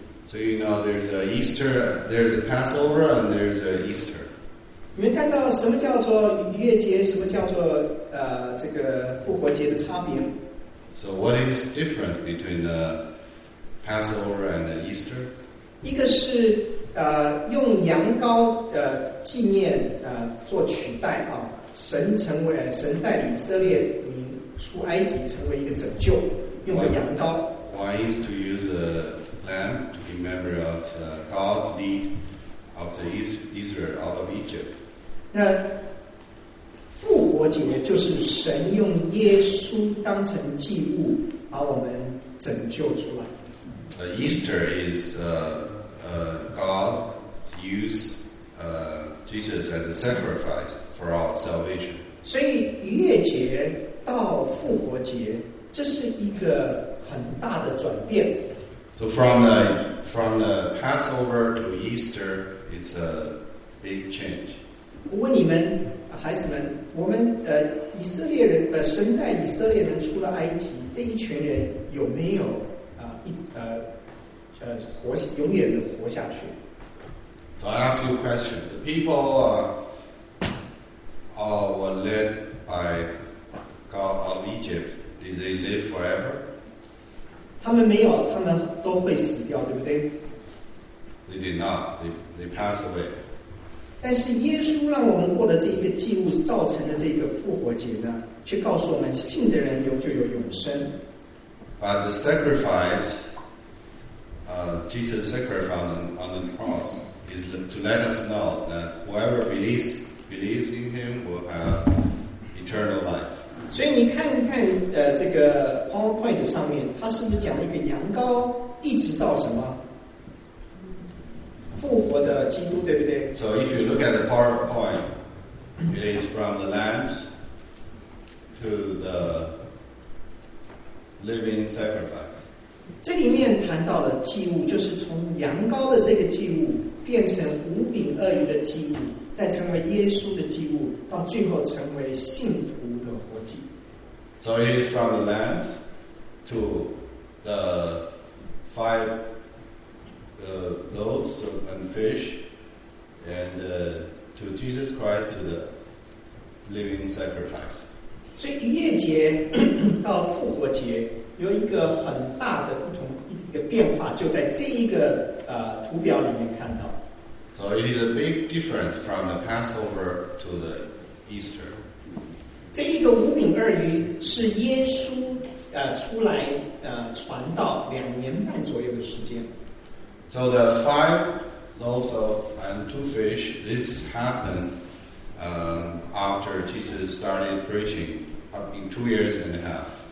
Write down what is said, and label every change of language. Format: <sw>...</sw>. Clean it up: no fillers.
<en>？So you know there's a Easter, there's a Passover, and there's a Easter.</en> <zh>你们看到什么叫做逾越节，什么叫做这个复活节的差别</zh> <en>？So what is different between the Passover and the Easter？</en> <zh>一个是用羊羔纪念做取代啊，神带领以色列民出埃及成为一个拯救，用着羊羔。</zh> <en>One is to use a lamb to be memory of God lead of the Israel out of Egypt.</en> <zh>那复活节就是神用耶稣当成祭物把我们拯救出来。</zh> <en>Easter is God used Jesus as a sacrifice for our salvation.</en> <zh>所以逾越节到复活节，这是一个很大的转变。</zh> <en>So from the Passover to Easter, it's a big change.</en> <zh>我问你们，孩子们，我们以色列人神带以色列人出了埃及，这一群人有没有永远的活下去。</zh> <en>So I ask you a question. The people were led by God of Egypt. Did they live forever?</en> <zh>他们没有，他们都会死掉，对不对</zh> <en>？They did not. They passed away.</en> <zh>但是耶稣让我们过的这一个祭物，造成的这个复活节呢，却告诉我们，信的人就有永生。</zh> <en>But the sacrifice. Jesus' sacrifice on the cross is to let us know that whoever believes in him will have eternal life.</en> <zh>所以你看看这个 PowerPoint 上面，它是不是讲一个羊羔一直到什么复活的基督，对不对</zh> <en>？So if you look at the PowerPoint, it is from the lambs to the living sacrifice.</en> <zh>这里面谈到的祭物，就是从羊羔的这个祭物变成无饼鳄鱼的祭物，再成为耶稣的祭物，到最后成为信徒的活祭。</zh> <en>So it is from the lambs to the five loaves and fish, and to Jesus Christ to the living sacrifice.</en> <zh>所以逾越节到复活节。有一个很大的一个变化，就在这一个图表里面看到。</zh> <en>So it is a big difference from the Passover to the Easter.</en> <zh>这一个五饼二鱼是耶稣出来传道两年半左右的时间。</zh> <en>So the five loaves and two fish, this happened after Jesus started preaching in 2.5 years.</en>